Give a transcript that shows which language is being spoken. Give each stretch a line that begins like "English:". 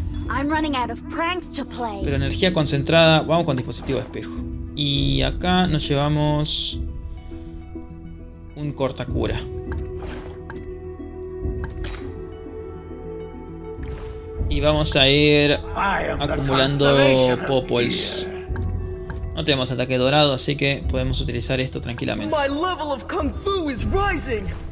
English: I'm running out of pranks to play.
Spanish: Pero energía concentrada, vamos con dispositivo espejo. Y acá nos llevamos un cortacura. Y vamos a ir acumulando popols. No tenemos ataque dorado, así que podemos utilizar esto tranquilamente.
English: My level of kung fu is rising.